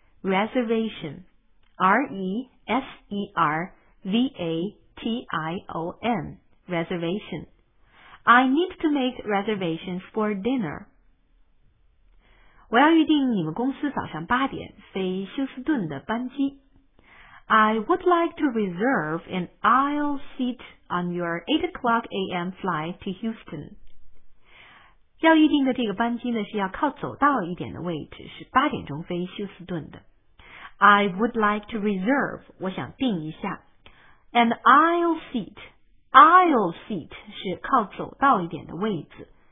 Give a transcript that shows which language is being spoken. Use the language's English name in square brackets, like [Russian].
[English] Reservation R-E-S-E-R-V-A-T-I-O-N Reservation I need to make reservations for dinner. [Chinese] 我要预定你们公司早上八点飞休斯顿的班机。 [English] I would like to reserve an aisle seat on your 8 o'clock a.m. flight to Houston. [Chinese] 要预定的这个班机呢，是要靠走道一点的位置，是八点钟飞休斯顿的。 [English] I would like to reserve, [Chinese] 我想订一下。 [English] An aisle seat, aisle seat [Chinese] 是靠走道一点的位置。